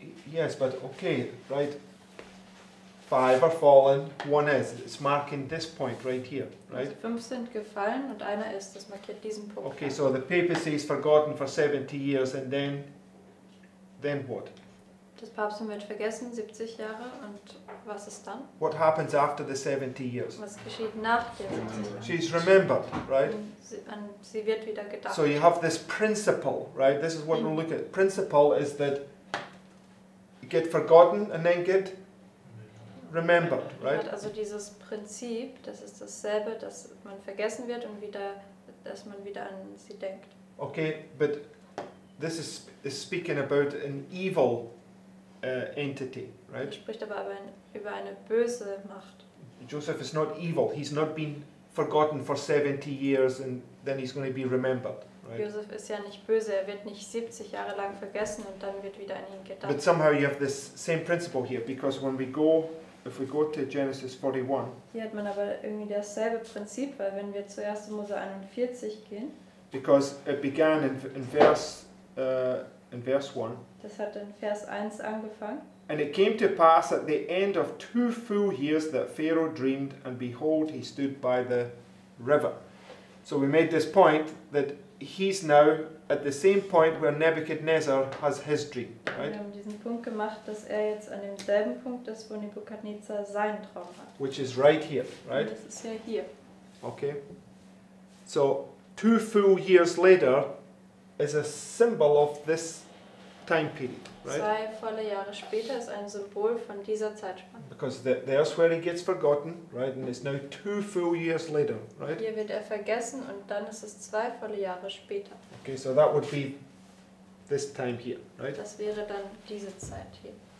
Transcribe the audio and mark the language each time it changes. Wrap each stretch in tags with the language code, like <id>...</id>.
<en>Yes, but okay, right. Five are fallen, one is. It's marking this point right here, right?</en> <de>Also fünf sind gefallen und einer ist. Das markiert diesen Punkt.</de> <en>Okay, so the papacy is forgotten for 70 years, and then what?</en> <de>Das Papstum wird vergessen, 70 Jahre, und was ist dann?</de> <en>What happens after the 70 years?</en> <de>Was geschieht nach den 70 Jahren?</de> <en>She's remembered, right?</en> <de>Und sie wird wieder gedacht.</de> <en>So you have this principle, right? This is what we'll look at. Principle is that you get forgotten and then get remembered, right?</en> <de>Also dieses Prinzip, das ist dasselbe, dass man vergessen wird und wieder, dass man wieder an sie denkt.</de> <en>Okay, but this is speaking about an evil entity, right?</en> <de>Spricht aber über eine böse Macht.</de> <en>Joseph is not evil. He's not been forgotten for 70 years and then he's going to be remembered, right?</en> <de>Joseph ist ja nicht böse. Er wird nicht 70 Jahre lang vergessen und dann wird wieder an ihn gedacht.</de> <en>But somehow you have this same principle here, because when we go, if we go to Genesis 41.</en> <de>Hier hat man aber irgendwie dasselbe Prinzip, weil wenn wir zu 1. Mose 41 gehen.</de> <en>Because it began in verse 1.</en> <de>Das hat in Vers 1 angefangen.</de> <en>And it came to pass at the end of 2 full years that Pharaoh dreamed, and behold, he stood by the river. So we made this point that he's now at the same point where Nebuchadnezzar has his dream, right?</en> <de>Wir haben diesen Punkt gemacht, dass er jetzt an demselben Punkt ist, wo Nebuchadnezzar seinen Traum hat.</de> <en>Which is right here, right?</en> <de>Und das ist ja hier.</de> <en>Okay. So 2 full years later is a symbol of this time period, right?</en> <de>2 volle Jahre später ist ein Symbol von dieser Zeitspanne.</de> <en>Because there's where he gets forgotten, right? And it's now 2 full years later, right?</en> <de>Hier wird er vergessen und dann ist es 2 volle Jahre später.</de> <en>Okay, so that would be this time here, right?</en> <de>Das wäre dann diese Zeit hier.</de>